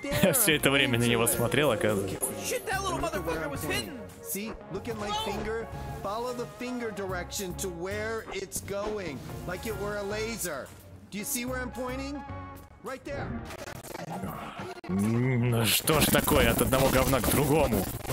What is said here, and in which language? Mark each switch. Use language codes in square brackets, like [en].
[ru] Я все это время на него смотрел, оказывается. [en] Shit, that little motherfucker was hidden. See, look at my finger. Follow the finger direction to where it's going, like it were a laser. Do you see where I'm pointing? Right there. [ru] Ну что ж такое, от одного говна к другому.